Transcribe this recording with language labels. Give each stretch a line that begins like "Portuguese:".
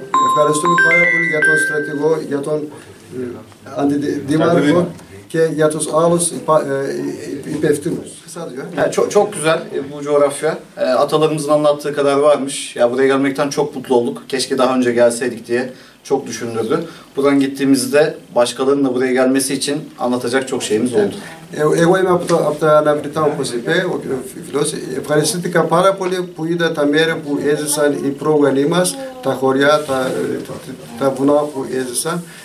Greek: Ευχαριστούμε πάρα πολύ για τον στρατηγό, για τον αντιδήμαρχο και για τους άλλους υπευθύνους.
Turkish: Yani çok güzel bu coğrafya. Atalarımızın anlattığı kadar varmış. Ya buraya gelmekten çok mutlu olduk. Keşke daha önce gelseydik diye çok düşündürdü. Buradan gittiğimizde başkalarının da buraya gelmesi için anlatacak çok şeyimiz oldu.
Greek: Εγώ είμαι από τα αναπληκτά, όπως είπε ο κ. Φιλός. Ευχαριστήθηκα πάρα πολύ που είδα τα μέρη που έζησαν οι πρόγονοι μας, τα χωριά, τα βουνά που έζησαν.